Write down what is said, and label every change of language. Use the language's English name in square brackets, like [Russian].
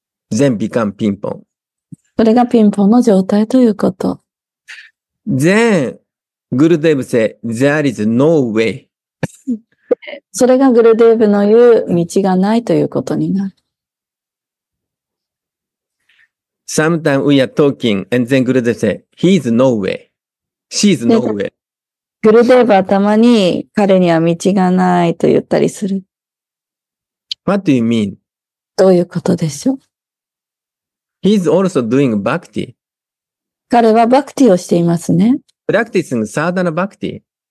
[English] Then become ピンポン。 [Japanese] それがピンポンの状態ということ。 [English] Then, Gurudev say, there is no way. [Japanese] それがグルデーブの言う道がないということになる。 [English] Sometimes we are talking and then グルデーブ say, he is nowhere. She is nowhere. [Japanese] グルデーブはたまに彼には道がないと言ったりする。 [English] What do you mean? [Japanese] どういうことでしょう。 [English] He is also doing bhakti. [Japanese] 彼はバクティをしていますね。 [English] Practicing sadhana bhakti.